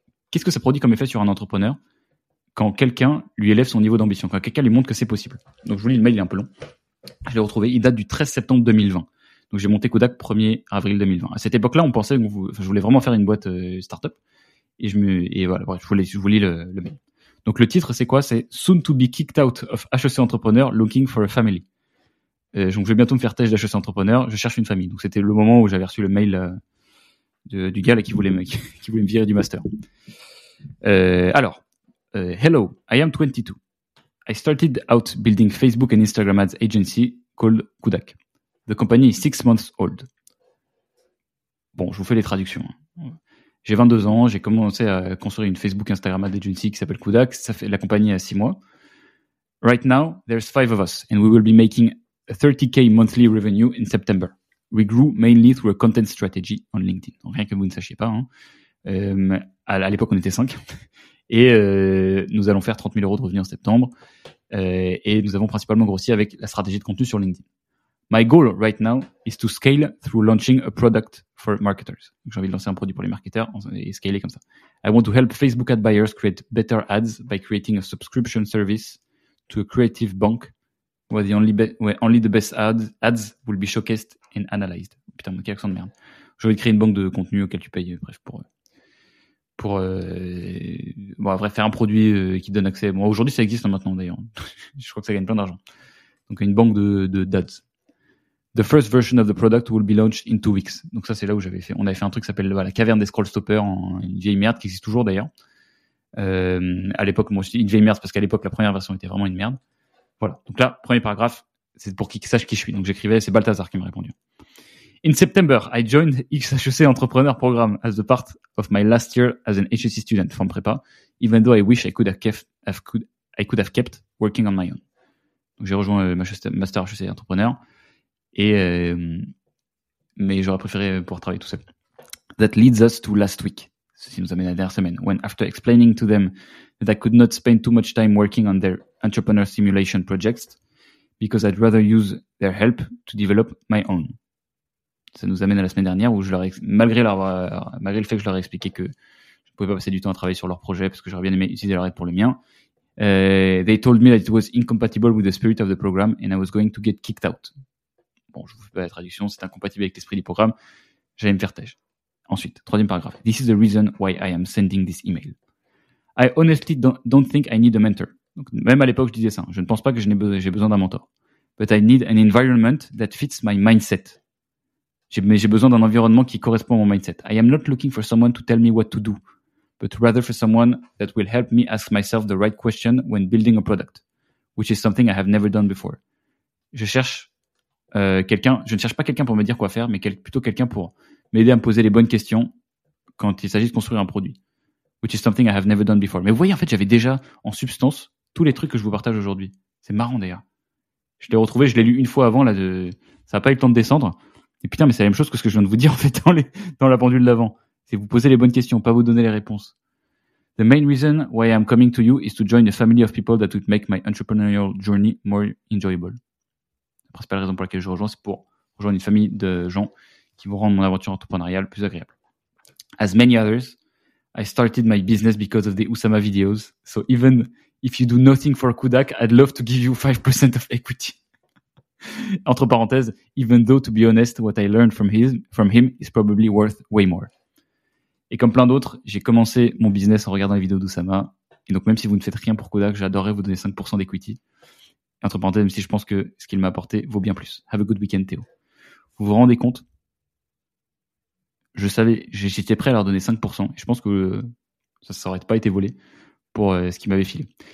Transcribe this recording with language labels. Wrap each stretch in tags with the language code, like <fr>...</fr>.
<fr>Qu'est-ce que ça produit comme effet sur un entrepreneur quand quelqu'un lui élève son niveau d'ambition, quand quelqu'un lui montre que c'est possible. Donc je vous lis le mail, il est un peu long. Je l'ai retrouvé. Il date du 13 septembre 2020. Donc j'ai monté Kodak 1er avril 2020. À cette époque-là, on pensait que je voulais vraiment faire une boîte start-up. Je vous lis le mail. Donc le titre c'est quoi? C'est</fr> <en>Soon to be kicked out of HEC Entrepreneur looking for a family.</en> <fr>Donc je vais bientôt me faire tèche d'HEC Entrepreneur, je cherche une famille. Donc c'était le moment où j'avais reçu le mail du gars là, qui voulait me virer du master.</fr> <en>Hello, I am 22. I started out building Facebook and Instagram ads agency called Kodak. The company is 6 months old.</en> <fr>Bon, je vous fais les traductions. J'ai 22 ans, j'ai commencé à construire une</fr> <en>Facebook Instagram ad agency</en> <fr>qui s'appelle Kodak. Ça fait la compagnie à 6 mois.</fr> <en>Right now, there's 5 of us and we will be making 30K monthly revenue in September. We grew mainly through a content strategy on LinkedIn.</en> <fr>Donc, rien que vous ne sachiez pas. Hein. À l'époque, on était 5. Et nous allons faire 30 000 euros de revenus en septembre. Et nous avons principalement grossi avec la stratégie de contenu sur LinkedIn.</fr> <en>My goal right now is to scale through launching a product for marketers.</en> <fr>Donc, j'ai envie de lancer un produit pour les marketeurs et scaler comme ça.</fr> <en>I want to help Facebook ad buyers create better ads by creating a subscription service to a creative bank where only the best ads will be showcased and analyzed.</en> <fr>Putain, mon accent de merde. J'ai envie de créer une banque de contenu auquel tu payes, bref, pour faire un produit qui donne accès. Bon, aujourd'hui, ça existe maintenant d'ailleurs. Je crois que ça gagne plein d'argent. Donc, une banque de d'ads.</fr> <en>The first version of the product will be launched in 2 weeks.</en> <fr>Donc ça, c'est là où on avait fait un truc qui s'appelle la caverne des scroll stoppers, une vieille merde qui existe toujours d'ailleurs. À l'époque, moi, je dis une vieille merde, parce qu'à l'époque, la première version était vraiment une merde. Voilà. Donc là, premier paragraphe, c'est pour qu'il sache qui je suis. Donc j'écrivais, c'est Balthazar qui m'a répondu.</fr> <en>In September, I joined XHEC Entrepreneur Program as the part of my last year as an HEC student from prépa, even though I wish I could have kept, I could have kept working on my own.</en> <fr>Donc j'ai rejoint Master HEC Entrepreneur, mais j'aurais préféré pouvoir travailler tout seul.</fr> <en>That leads us to last week.</en> <fr>Ceci nous amène à la dernière semaine.</fr> <en>When after explaining to them that I could not spend too much time working on their entrepreneur simulation projects because I'd rather use their help to develop my own.</en> <fr>Ça nous amène à la semaine dernière où malgré le fait que je leur ai expliqué que je ne pouvais pas passer du temps à travailler sur leur projet parce que j'aurais bien aimé utiliser leur aide pour le mien,</fr> <en>they told me that it was incompatible with the spirit of the program and I was going to get kicked out.</en> <fr>Bon, je ne vous fais pas la traduction, c'est incompatible avec l'esprit du programme, j'allais me faire têche. Ensuite, troisième paragraphe.</fr> <en>This is the reason why I am sending this email. I honestly don't think I need a mentor.</en> <fr>Donc, même à l'époque, je disais ça. Je ne pense pas que j'ai besoin d'un mentor.</fr> <en>But I need an environment that fits my mindset.</en> <fr>J'ai besoin d'un environnement qui correspond à mon mindset.</fr> <en>I am not looking for someone to tell me what to do, but rather for someone that will help me ask myself the right question when building a product, which is something I have never done before.</en> <fr>Je ne cherche pas quelqu'un pour me dire quoi faire, mais plutôt quelqu'un pour m'aider à me poser les bonnes questions quand il s'agit de construire un produit.</fr> <en>Which is something I have never done before.</en> <fr>Mais vous voyez, en fait, j'avais déjà en substance tous les trucs que je vous partage aujourd'hui. C'est marrant d'ailleurs. Je l'ai retrouvé, je l'ai lu une fois avant, ça n'a pas eu le temps de descendre. Et putain, mais c'est la même chose que ce que je viens de vous dire en fait dans la pendule d'avant. C'est vous poser les bonnes questions, pas vous donner les réponses.</fr> <en>The main reason why I'm coming to you is to join a family of people that would make my entrepreneurial journey more enjoyable.</en> <fr>La principale raison pour laquelle je rejoins, c'est pour rejoindre une famille de gens qui vont rendre mon aventure entrepreneuriale plus agréable.</fr> <en>As many others, I started my business because of the Usama videos. So even if you do nothing for Kudak, I'd love to give you 5% of equity.</en> <fr>Entre parenthèses,</fr> <en>even though to be honest, what I learned from him is probably worth way more.</en> <fr>Et comme plein d'autres, j'ai commencé mon business en regardant les vidéos d'Usama. Et donc même si vous ne faites rien pour Kudak, j'adorerais vous donner 5% d'equity. Entre parenthèses, même si je pense que ce qu'il m'a apporté vaut bien plus.</fr> <en>Have a good weekend, Théo.</en> <fr>Vous vous rendez compte? Je savais, j'étais prêt à leur donner 5%. Et je pense que ça ne s'aurait pas été volé pour ce qu'ils m'avaient filé.</fr>